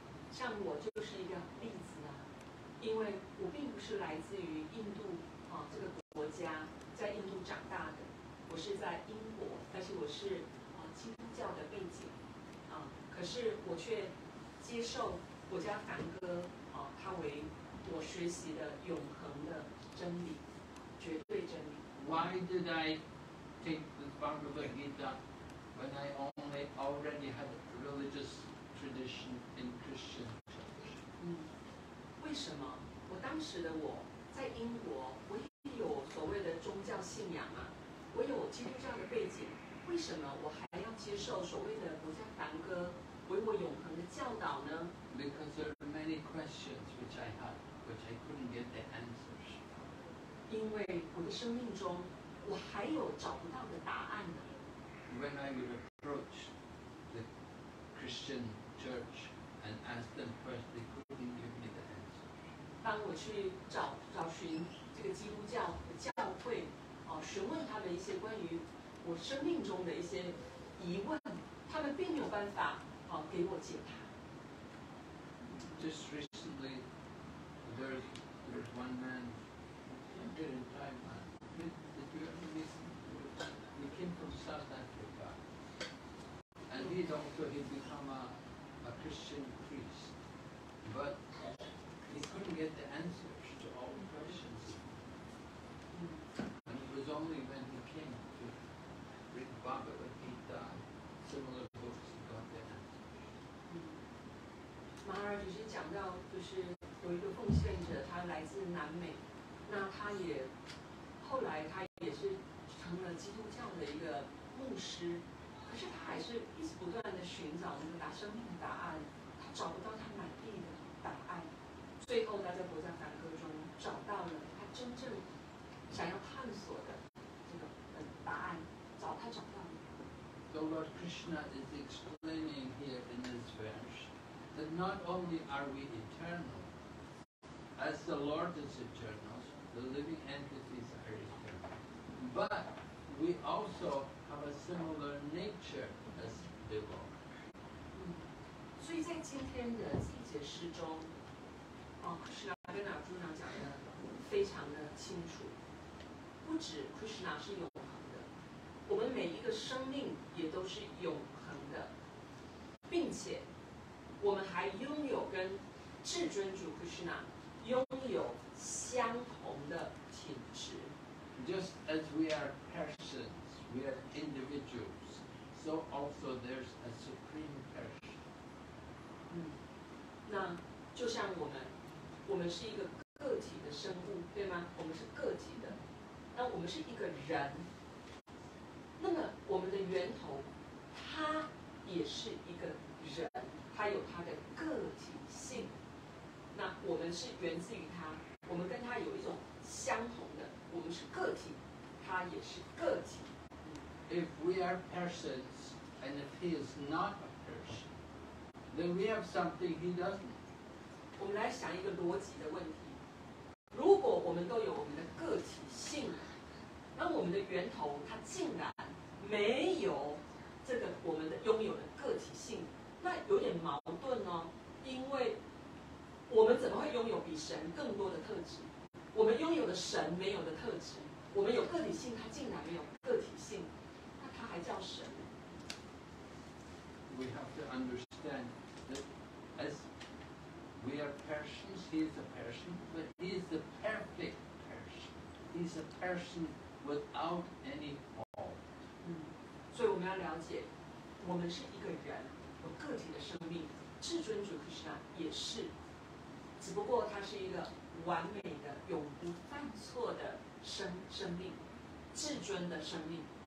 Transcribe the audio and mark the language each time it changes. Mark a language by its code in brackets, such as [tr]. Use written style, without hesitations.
[zh] 像我就是一个例子啊，因为我并不是来自于印度啊这个国家，在印度长大的，我是在英国，但是我是啊基督教的背景啊，可是我却接受我家梵哥啊他为我学习的永恒的真理，绝对真理。 [en] Why did I take the Bhagavad Gita when I only already had a religious tradition in Christian tradition? [zh] 为什么我当时的我在英国，我也有所谓的宗教信仰啊，我有基督教的背景，为什么我还要接受所谓的国家梵歌为我永恒的教导呢？ [en] Because there are many questions which I had, which I couldn't get the answers. [zh] 因为我的生命中我还有找不到的答案呢。 [en] When I would approach the Christian church and ask them first, they couldn't give me the answer. [zh] 当我去找寻这个基督教的教会，哦，询问他们一些关于我生命中的一些疑问，他们并没有办法，哦，给我解答。 [en] Just recently, there's one man, younger in Taiwan. Did you ever meet him? He came from South Africa. And he also had become a Christian priest. But he couldn't get the answers to all the questions. And it was only when he came to read Bhagavad Gita, similar books, he got the answers. [zh] Maharaj 就是讲到，就是有一个奉献者，他来自南美，那他也后来他也是成了基督教的一个牧师，可是他还是一直不断的寻找那个答生命的答案，他找不到他满地的答案，最后他在国家梵歌中找到了他真正想要探索的这个答案，他找到了。 [en] The Lord Krishna is explaining here in this verse. That not only are we eternal, as the Lord is eternal, the living entities are eternal, but we also have a similar nature as the Lord. [zh] 所以在今天的这一节诗中，哦，库什纳跟阿朱娜讲的非常的清楚，不止库什纳是永恒的，我们每一个生命也都是永恒的，并且。我们还拥有跟至尊主 Krishna 拥有相同的品质。 [en] Just as we are persons, we are individuals, so also there's a supreme person. [zh] 那就像我们是一个个体的生物，对吗？我们是个体的，那我们是一个人。那么我们的源头，他也是一个人。他有他的个体性，那我们是源自于他，我们跟他有一种相同的，我们是个体，他也是个体。 [en] If we are persons and if he is not a person, then we have something he doesn't. [zh] 我们来想一个逻辑的问题：如果我们都有我们的个体性，那我们的源头他竟然没有这个我们的拥有的个体性。那有点矛盾哦，因为我们怎么会拥有比神更多的特质？我们拥有的神没有的特质，我们有个体性，他竟然没有个体性，那他还叫神？ [en] We have to understand that as we are persons, he is a person, but he is the perfect person. He is a person without any fault. [zh] 所以我们要了解，我们是一个人。个体的生命，至尊主克里斯那也是，只不过他是一个完美的、永不犯错的生命，至尊的生命。